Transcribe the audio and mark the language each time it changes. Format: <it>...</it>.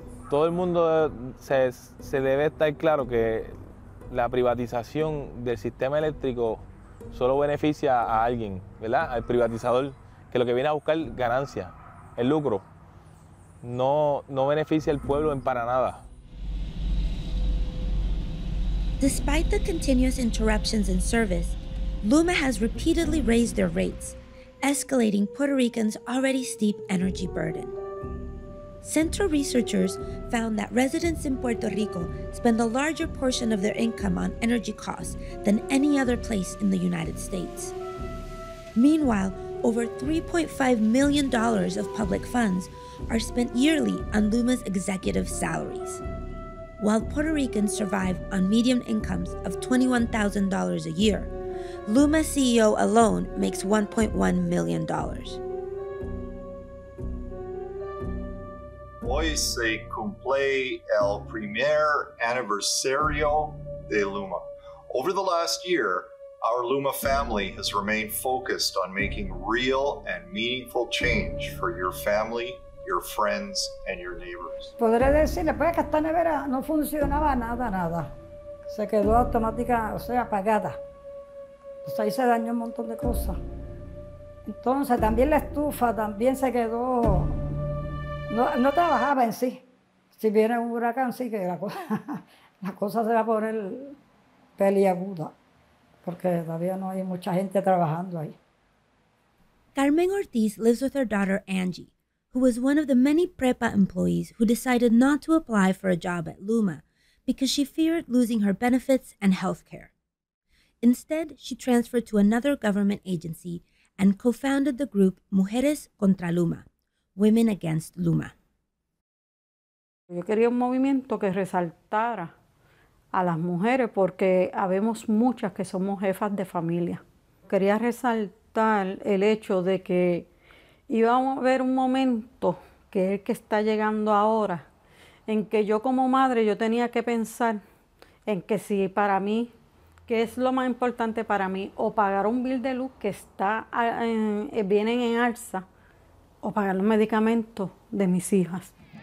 <es>Todo el mundo se debe estar claro que la privatización del sistema eléctrico solo beneficia a alguien, ¿verdad? Al privatizador, que lo que viene a buscar ganancia, el lucro, no beneficia al pueblo en para nada.</es> <en>Despite the continuous interruptions in service, LUMA has repeatedly raised their rates, escalating Puerto Ricans' already steep energy burden. Centro researchers found that residents in Puerto Rico spend a larger portion of their income on energy costs than any other place in the United States. Meanwhile, over $3.5 million of public funds are spent yearly on LUMA's executive salaries. While Puerto Ricans survive on median incomes of $21,000 a year, LUMA CEO alone makes $1.1 million.</en> <es>Hoy se cumple el primer aniversario de LUMA.</es> <en>Over the last year, our LUMA family has remained focused on making real and meaningful change for your family, your friends, and your neighbors.</en> <es>Podré decirle, pues, que esta nevera no funcionaba nada. Se quedó automática, o sea, apagada. Entonces ahí se dañó un montón de cosas. Entonces también la estufa también se quedó. No trabajaba en sí. Si viene un huracán, sí que la cosa se va a poner peliaguda, porque todavía no hay mucha gente trabajando ahí.</es> <en>Carmen Ortiz lives with her daughter Angie, who was one of the many PREPA employees who decided not to apply for a job at LUMA because she feared losing her benefits and health care. Instead, she transferred to another government agency and co-founded the group Mujeres Contra LUMA, Women Against LUMA.</en> <es>Yo quería un movimiento que resaltara a las mujeres porque habemos muchas que somos jefas de familia. Quería resaltar el hecho de que iba a haber un momento, que es el que está llegando ahora, en que yo como madre yo tenía que pensar en que si para mí, qué es lo más importante para mí, o pagar un bill de luz que está vienen en alza, o pagar los medicamentos de mis hijas.</es>